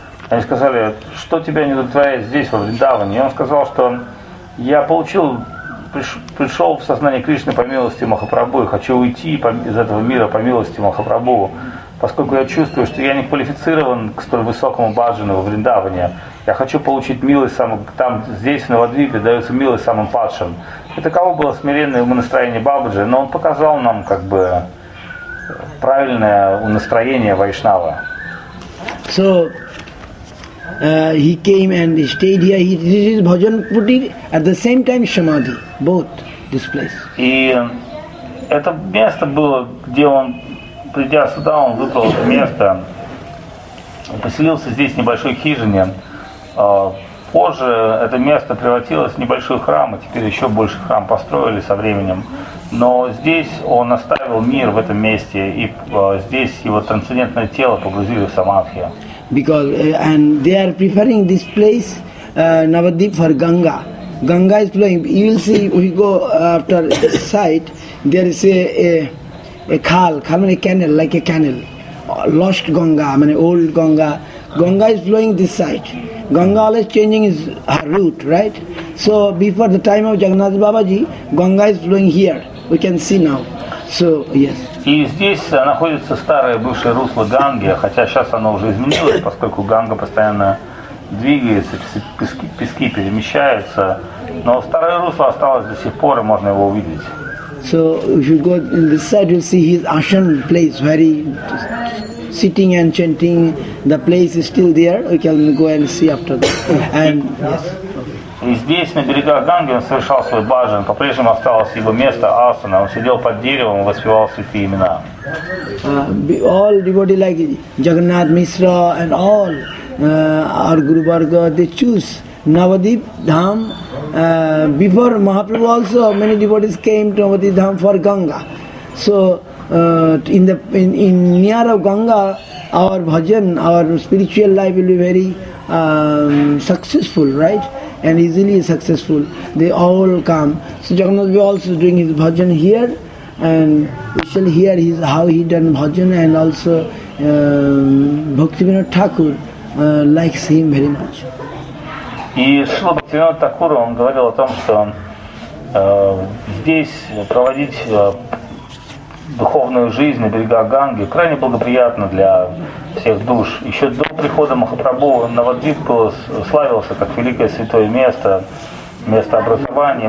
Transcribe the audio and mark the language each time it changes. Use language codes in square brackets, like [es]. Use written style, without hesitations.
[ru] Они сказали, что тебя не удовлетворяет здесь, во Вриндаване? И он сказал, что я пришел в сознание Кришны по милости Махапрабху и хочу уйти из этого мира по милости Махапрабху, поскольку я чувствую, что я не квалифицирован к столь высокому баджану во Вриндаване. Я хочу получить милость там, здесь, в Навадвипе, дается милость самым падшим. И таково было смиренное настроение Бабаджи, но он показал нам как бы правильное настроение вайшнава. [en] So, he came and he stayed here. This is Bhajan Kutir, at the same time Samadhi, both this place. [ru] И это место было, где он, придя сюда, он выбрал это место, поселился здесь в небольшой хижине. Позже это место превратилось в небольшой храм, и теперь еще больше храм построили со временем. Но здесь он оставил мир в этом месте, и здесь его трансцендентное тело погрузили в самадхи. [en] Because and they are preferring this place, Navadip, for Ganga. Ganga is flowing. You will see, we go after site, there is a khal, khal means a canal, like a canal. Lost Ganga, I mean old Ganga. Ganga is flowing this side. Ganga always changing its route, right? So before the time of Jagannath Babaji, Ganga is flowing here. We can see now. So, yes. [ru] И здесь находится старое бывшее русло Ганги, хотя сейчас оно уже изменилось, поскольку Ганга постоянно двигается, пески перемещаются. Но старое русло осталось до сих пор, и можно его увидеть. [en] So, if you go in this side, you'll see his ashram place, where he sitting and chanting, the place is still there, we can go and see after that. And, yes. [ru] И здесь, на берегах Ганги, он совершал свой баджан, по-прежнему осталось его место, асана, он сидел под деревом и воспевал святые имена. [en] All devotees like Jagannath Mishra and all, our Guru Bhargava, they choose Navadip Dham. Before Mahaprabhu also, many devotees came to Navadip Dham for Ganga. So, near of Ganga, our bhajan, our spiritual life will be very successful, right? And easily successful. They all come. So Jagannath Babu also doing his bhajan here, and we shall hear his how he done bhajan, and also Bhaktivinoda Thakur likes him very much. [ru] И Шрила Бхактивинода Тхакура, он говорил о том, что здесь проводить духовную жизнь на берегах Ганги крайне благоприятно для всех душ. Еще до прихода Махапрабху Навадвип славился как великое святое место, место образования.